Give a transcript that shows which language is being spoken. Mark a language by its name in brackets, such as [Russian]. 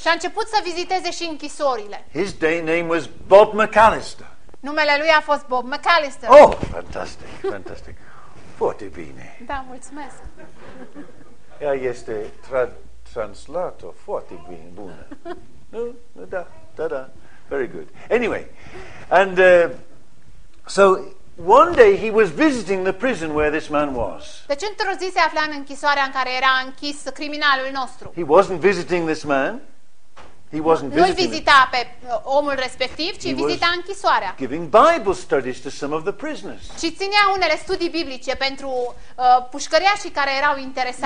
[Romanian] Și a început să viziteze și închisorile. [English] His name was Bob McAllister. [Romanian] Numele lui a fost Bob McAllister. [English] Oh, fantastic, fantastic. [Romanian] Foarte bine. Da, mulțumesc. Ea este translator foarte bine, bună. Nu, da. [English] Very good. Anyway, and so one day he was visiting the prison where this man was. [Romanian] Deci într-o zi se afla în închisoarea în care era închis criminalul nostru. [English] He wasn't visiting this man. He wasn't visiting. [Romanian] Nu-l vizita pe omul respectiv, ci vizita închisoarea. [English] Giving Bible studies to some of the prisoners. [Romanian] Și ținea unele studii biblice pentru pușcăriașii care erau interesați.